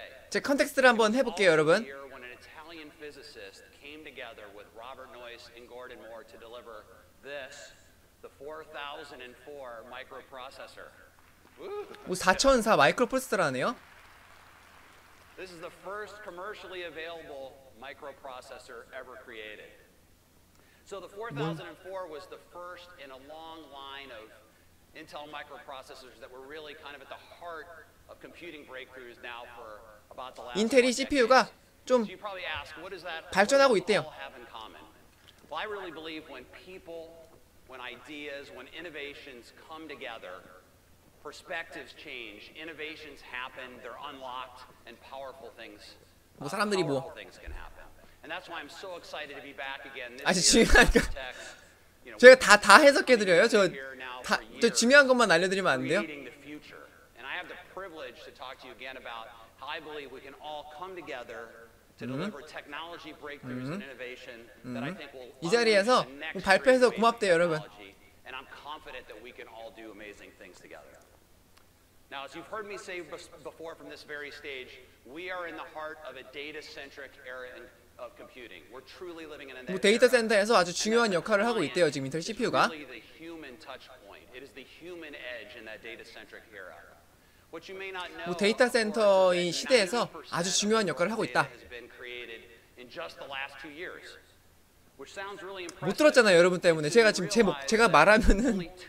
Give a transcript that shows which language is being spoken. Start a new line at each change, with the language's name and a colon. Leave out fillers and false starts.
Korean: 제 컨텍스트를 한번 해볼게요 여러분. 4004 마이크로프로세서라네요.
English: This is the first commercially available microprocessor ever created. So the 4004 was the first in a long line of Intel microprocessors that were really kind of at the heart of computing breakthroughs now for about the last
Korean: 인텔이 CPU가 좀 발전하고 있대요.
English: Well, I really believe when people, when ideas, when innovations come together, perspectives change, innovations happen, they're unlocked and powerful things.
Korean: 뭐 사람들이 뭐
English: And that's why I'm so excited to be back again.
Korean: 아주 중요하니까 제가 다 해석해 드려요. 저 중요한 것만 알려 드리면 안 돼요?
English: And I have the privilege to talk to you again about how I believe we can all come together to deliver technology breakthroughs and innovation that I think will
Korean: 이 자리에서 발표해서 고맙대요, 여러분.
English: And I'm confident that we can all do amazing things together. Now, as you've heard me say before from this very stage, we are in the heart of a data-centric era of computing. We're truly living in a
Korean: 데이터 센터에서 아주 중요한 역할을 하고 있대요. 지금 인텔 CPU가.
English: It is the human touch point. It is the human edge in that data-centric era. What you may not know.
Korean: 데이터 센터의 시대에서 아주 중요한 역할을 하고 있다.
English: Has been created in just the last two years. Which sounds really impressive.
Korean: 못 들었잖아요, 여러분 때문에. 제가 지금 제가 말하면은.